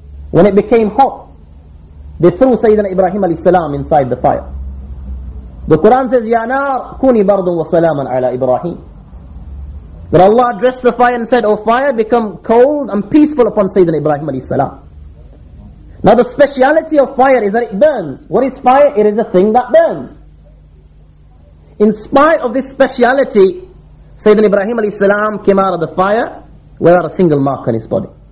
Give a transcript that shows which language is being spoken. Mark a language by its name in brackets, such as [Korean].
[English] When it became hot, they threw Sayyidina Ibrahim alayhi salam inside the fire. The Quran says, [Arabic] يَا نَارْ كُونِي بَرْضٌ وَسَلَامًا عَلَىٰ إِبْرَاهِيمَ. [English] But Allah addressed the fire and said, O fire, become cold and peaceful upon Sayyidina Ibrahim alayhi salam. Now the speciality of fire is that it burns. What is fire? It is a thing that burns. In spite of this speciality, Sayyidina Ibrahim alayhi salam came out of the fire without a single mark on his body.